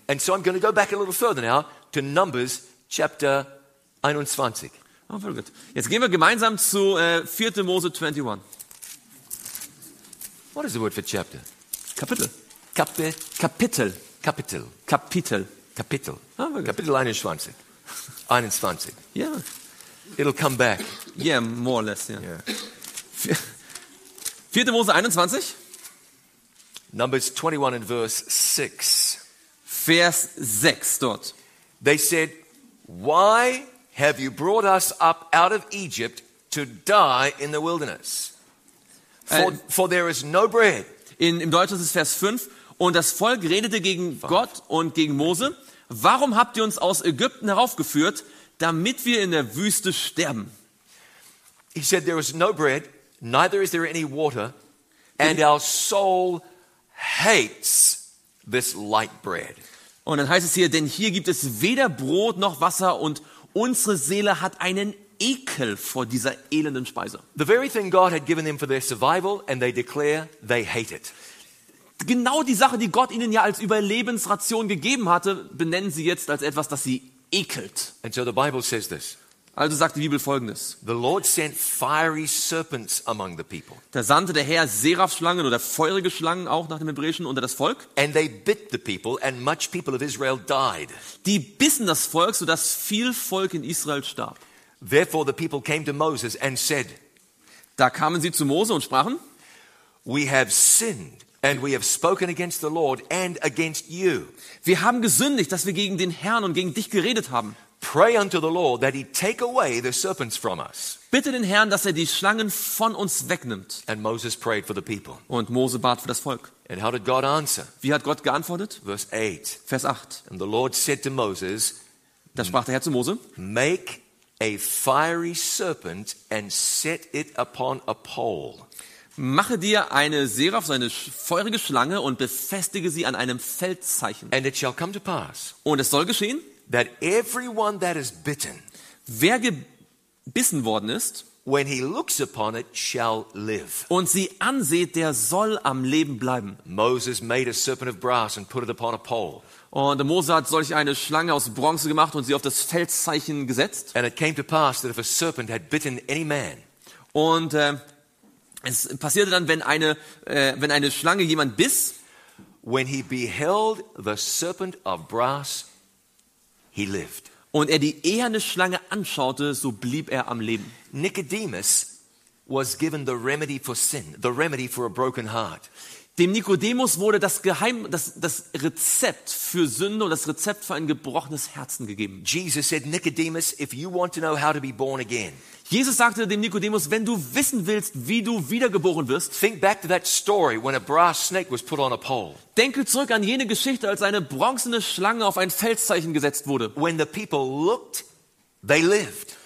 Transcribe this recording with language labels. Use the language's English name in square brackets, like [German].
[English] And so I'm going to go back a little further now to Numbers chapter 21. Oh, very good. [German] Jetzt gehen wir gemeinsam zu 4. Mose 21. [English] What is the word for chapter? [German] Kapitel. Kapitel. Kapitel. Kapitel. Kapitel. Kapitel 21. 21. [English] Yeah. It'll come back. Yeah, more or less, yeah. 4. Mose 21. Numbers 21 and verse 6. [German] Vers 6 dort. [English] They said, "Why have you brought us up out of Egypt to die in the wilderness? For there is no bread." [German] Im Deutschen ist es Vers 5. Und das Volk redete gegen Gott und gegen Mose: "Warum habt ihr uns aus Ägypten heraufgeführt, damit wir in der Wüste sterben?" [English] He said, "There is no bread, neither is there any water, and our soul hates this light bread." [German] Und dann heißt es hier: "Denn hier gibt es weder Brot noch Wasser, und unsere Seele hat einen Ekel vor dieser elenden Speise." [English] The very thing God had given them for their survival, and they declare they hate it. [German] Genau die Sache, die Gott ihnen ja als Überlebensration gegeben hatte, benennen sie jetzt als etwas, das sie ekelt. [English] And so the Bible says this. [German] Also sagt die Bibel Folgendes: [English] "The Lord sent fiery serpents among the people." [German] Da sandte der Herr Seraphschlangen oder feurige Schlangen auch nach dem Hebräischen unter das Volk. [English] "And they bit the people, and much people of Israel died." [German] Die bissen das Volk, so dass viel Volk in Israel starb. [English] "Therefore the people came to Moses and said." [German] Da kamen sie zu Mose und sprachen: [English] "We have sinned, and we have spoken against the Lord and against you." [German] Wir haben gesündigt, dass wir gegen den Herrn und gegen dich geredet haben. [English] "Pray unto the Lord that he take away the serpents from us." [German] Bitte den Herrn, dass die Schlangen von uns wegnimmt. [English] And Moses prayed for the people. [German] Und Mose bat für das Volk. [English] And how did God answer? [German] Wie hat Gott geantwortet? [English] Verse 8. [German] Vers 8. [English] "And the Lord said to Moses." [German] Da sprach der Herr zu Mose: [English] "Make a fiery serpent and set it upon a pole." [German] Mache dir eine Seraph, so eine feurige Schlange, und befestige sie an einem Feldzeichen. [English] "And it shall come to pass." [German] Und es soll geschehen, [English] "that everyone that is bitten," [German] wer gebissen worden ist, [English] "when he looks upon it shall live." [German] Und sie ansieht, der soll am Leben bleiben. [English] Moses made a serpent of brass and put it upon a pole. [German] Und Mose hat solch eine Schlange aus Bronze gemacht und sie auf das Feldzeichen gesetzt. [English] "And it came to pass that if a serpent had bitten any man." [German] Und es passierte dann, wenn eine Schlange jemand biss, [English] "when he beheld the serpent of brass, he lived." [German] Und er die eherne Schlange anschaute, so blieb er am Leben. [English] Nicodemus was given the remedy for sin, the remedy for a broken heart. [German] Dem Nikodemus wurde das Rezept für Sünde und das Rezept für ein gebrochenes Herzen gegeben. [English] Jesus said, "Nicodemus, if you want to know how to be born again." [German] Jesus sagte dem Nikodemus, wenn du wissen willst, wie du wiedergeboren wirst. [English] Think back to that story when a brass snake was put on a pole. [German] Denke zurück an jene Geschichte, als eine bronzene Schlange auf ein Felszeichen gesetzt wurde. [English] When the people looked, they lived.